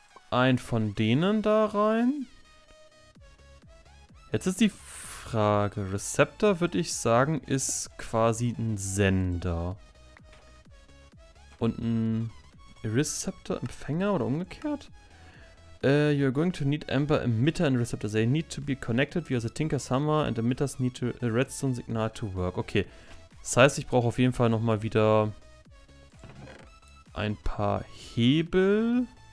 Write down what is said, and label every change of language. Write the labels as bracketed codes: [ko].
[de] Ein von denen da rein. Jetzt ist die Frage, Receptor würde ich sagen, ist quasi ein Sender. Und ein Receptor-Empfänger oder umgekehrt? [en] You're going to need Amber Emitter and Receptor. They need to be connected via the Tinker's Hammer and Emitters need to, a Redstone Signal to work. [de] Okay, das heißt, ich brauche auf jeden Fall nochmal wieder ein paar Hebel.